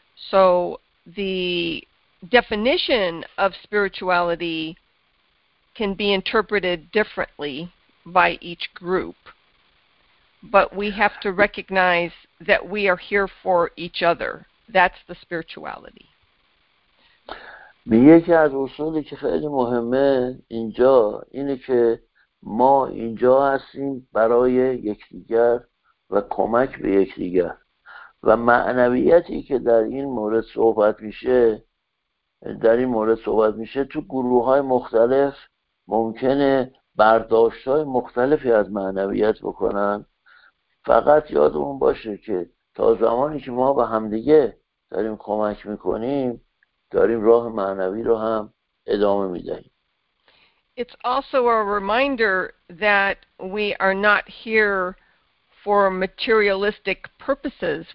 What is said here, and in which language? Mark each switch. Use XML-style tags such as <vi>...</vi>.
<en>So the definition of spirituality can be interpreted differently by each group. But we have to recognize that we are here for each other. That's the spirituality.</en> <fa>میگه که از اصولی که خیلی مهمه اینجا اینه که ما اینجا هستیم برای یکدیگر و کمک به یکدیگر. و معنویتی که در این مورد صحبت میشه تو گروه های مختلف ممکنه برداشت های مختلفی از معنویت بکنن. فقط یادمون باشه که تا زمانی که ما به همدیگه داریم کمک میکنیم داریم راه معنوی رو هم ادامه میدهیم.</fa> <en>It's also a reminder that we are not here for materialistic purposes.</en>